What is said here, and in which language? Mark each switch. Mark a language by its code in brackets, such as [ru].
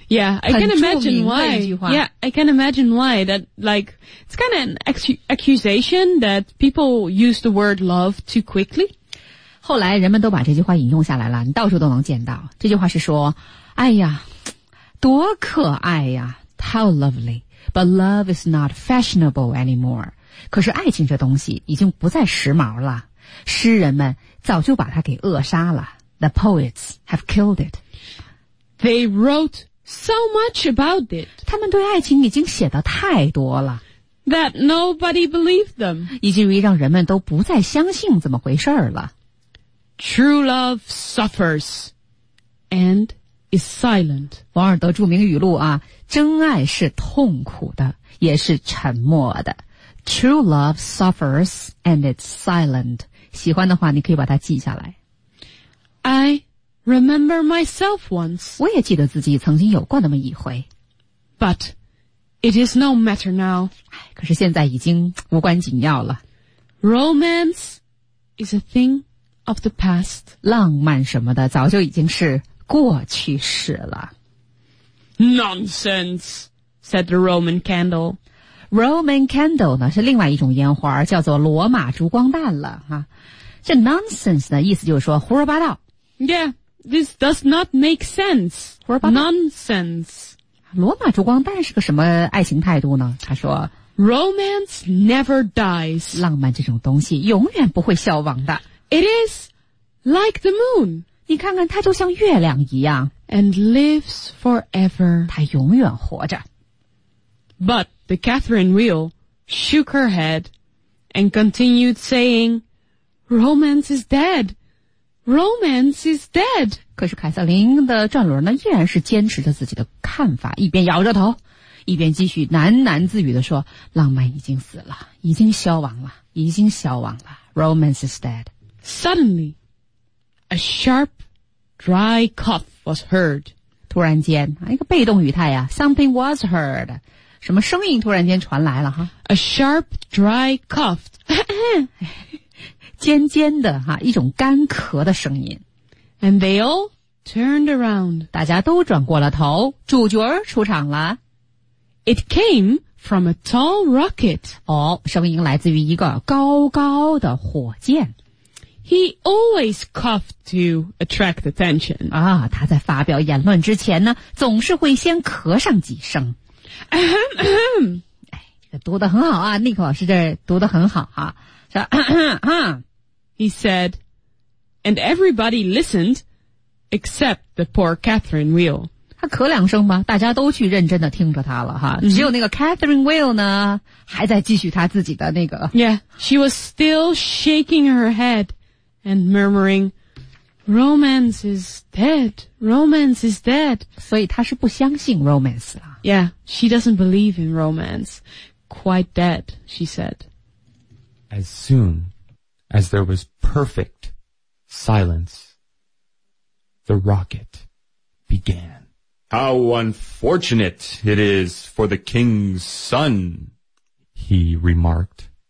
[en] Yeah, I can imagine why. Yeah, I can imagine why. That, like, it's kind of an accusation that people use the word love too quickly. [zh] 后来人们都把这句话引用下来了，你到处都能见到。这句话是说，哎呀，多可爱呀 ， How lovely. [en] But love is not fashionable anymore. [zh] 可是爱情这东西已经不再时髦了。诗人们早就把它给扼杀了。 [en] The poets have killed it. They wrote so much about it. [zh] 他们对爱情已经写得太多了。 [en] That nobody believed them. [zh] 以至于让人们都不再相信怎么回事了。 [en] True love suffers and is silent. [zh] 王尔德著名语录啊。真爱是痛苦的，也是沉默的。 [en] True love suffers and it's silent. [zh] 喜欢的话你可以把它记下来。 [en] I remember myself once. [zh] 我也记得自己曾经有过那么一回。 [en] But it is no matter now. [zh] 可是现在已经无关紧要了。 [en] Romance is a thing of the past. [zh] 浪漫什么的早就已经是过去式了。 [en] Nonsense, said the Roman candle. [zh] Roman candle 呢是另外一种烟花，叫做罗马烛光弹了哈。这 nonsense 的意思就是说胡说八道。 [en] Yeah, this does not make sense. [zh] 胡说八道。 [en] Nonsense. [zh] 罗马烛光弹是个什么爱情态度呢？他说 [en] ，Romance never dies. [zh] 浪漫这种东西永远不会消亡的。 [en] It is like the moon. [zh] 你看看，它就像月亮一样。 [en] And lives forever. [zh] 她永远活着。 [en] But the Catherine Wheel shook her head and continued saying, Romance is dead. Romance is dead. [zh] 可是凯瑟琳的转轮呢依然是坚持着自己的看法，一边摇着头，一边继续喃喃自语地说，浪漫已经死了，已经消亡了，已经消亡了。 [en] Romance is dead. Suddenly, a sharp, dry cough. Was heard. [zh] 突然间，一个被动语态啊 , something was heard. 什么声音突然间传来了哈 [en] ?A sharp, dry cough. [zh] 尖尖的哈，一种干咳的声音。 [en] And they all turned around. [zh] 大家都转过了头，主角出场了。 [en] It came from a tall rocket. [zh] 哦，声音来自于一个高高的火箭。 [en] He always coughed to attract attention. [zh] 啊，他在发表言论之前呢，总是会先咳上几声。哎，这个读得很好啊，尼克老师这读得很好啊。说 [en] He said, and everybody listened except the poor Catherine Wheel. [zh] 他咳两声吧，大家都去认真地听着他了哈。 Mm-hmm. 只有那个 Catherine Wheel 呢，还在继续他自己的那个。 [en] Yeah, she was still shaking her head. And murmuring, romance is dead, romance is dead. [zh] 所以她是不相信 romance 了。 [en] Yeah, she doesn't believe in romance. Quite dead, she said. As soon as there was perfect silence, the rocket began. How unfortunate it is for the king's son, he remarked.